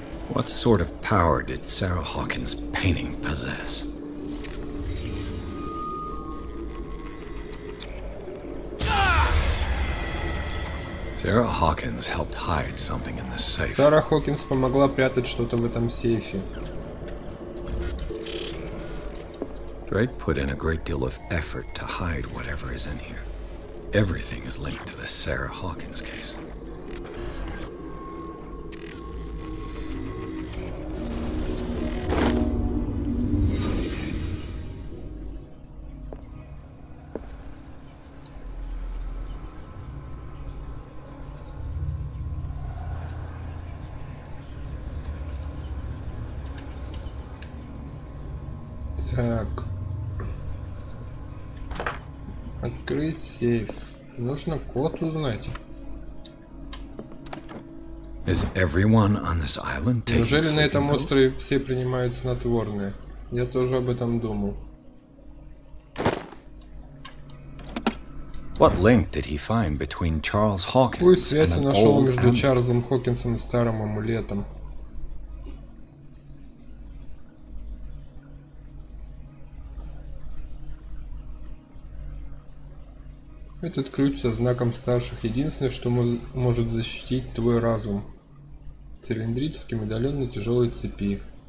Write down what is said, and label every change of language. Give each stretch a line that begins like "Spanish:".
English: What sort of power did Sarah Hawkins' painting possess? Sarah Hawkins helped hide something in the safe.
Russian: Сара Хокинс помогла прятать что-то в этом сейфе.
English: Drake put in a great deal of effort to hide whatever is in here. Everything is linked to the Sarah Hawkins case.
Russian: Так, открыть сейф. Нужно код узнать.
English: Is everyone on this island taking?
Russian: Неужели на этом острове все принимают снотворные? Я тоже об этом думал.
English: What link did he find between Charles Hawkins?
Russian: Какую связь он нашел между Чарльзом Хокинсом и старым амулетом? Этот ключ со знаком старших. Единственное, что может защитить твой разум. Цилиндрический медальон на тяжелой цепи.